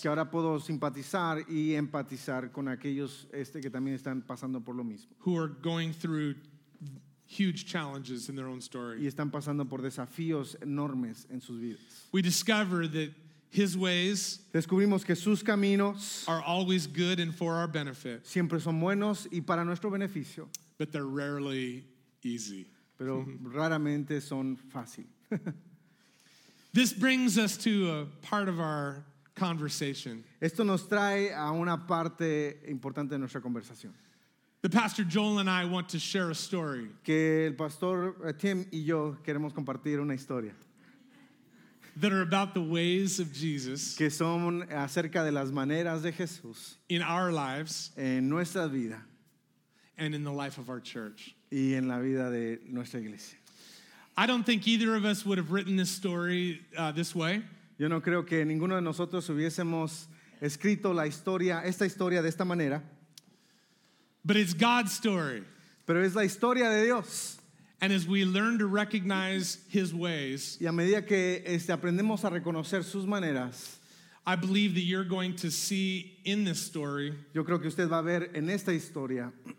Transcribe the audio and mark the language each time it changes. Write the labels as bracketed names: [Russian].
[Spanish] Que ahora puedo simpatizar y empatizar con aquellos que también están pasando por lo mismo. [English] Who are going through huge challenges in their own story. [Spanish] Y están pasando por desafíos enormes en sus vidas. [English] We discover that his ways. [Spanish] Descubrimos que sus caminos. [English] Are always good and for our benefit. [Spanish] Siempre son buenos y para nuestro beneficio. [English] But they're rarely easy. [Spanish] Pero raramente son fácil. [English] This brings us to a part of our conversation. [Spanish] Esto nos trae a una parte importante de nuestra conversación. [English] The pastor Joel and I want to share a story. [Spanish] Que el pastor Tim y yo queremos compartir una historia. [English] That are about the ways of Jesus. [Spanish] Que son acerca de las maneras de Jesús. [English] In our lives. [Spanish] En nuestra vida. [English] And in the life of our church. [Spanish] Y en la vida de nuestra iglesia. [English] I don't think either of us would have written this story this way. [Spanish] Yo no creo que ninguno de nosotros hubiésemos escrito la historia, esta historia de esta manera. [English] But it's God's story. [Spanish] Pero es la historia de Dios. [English] And as we learn to recognize his ways. [Spanish] Y a medida que aprendemos a reconocer sus maneras. [English] I believe that you're going to see in this story. [Spanish] Yo creo que usted va a ver en esta historia.